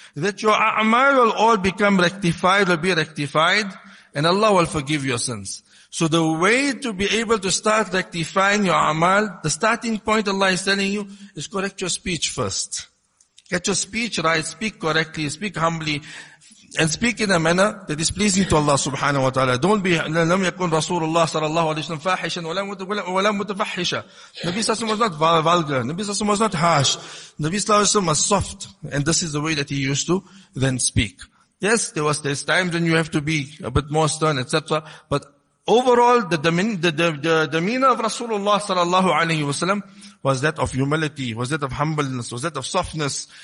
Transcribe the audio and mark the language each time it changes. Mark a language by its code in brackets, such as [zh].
[en] That your a'mal will all become rectified, will be rectified, and Allah will forgive your sins. So the way to be able to start rectifying your a'mal, the starting point Allah is telling you, is correct your speech first. Get your speech right, speak correctly, speak humbly, and speak in a manner that is pleasing to Allah subhanahu wa ta'ala. Don't be, [ar] لَمْ يَكُنْ رَسُولُ اللَّهِ صَلَى اللَّهُ عَلَيْهِ وَسَلَّمْ فَاحِشًا وَلَمْ مُتَفَحِّشًا. [en] Nabi Sassim was not vulgar. Nabi Sassim was not harsh. Nabi Sassim was soft. And this is the way that he used to then speak. Yes, there's times when you have to be a bit more stern, etc. But overall, the demeanor of Rasulullah sallallahu alayhi wa sallam was that of humility, was that of humbleness, was that of softness.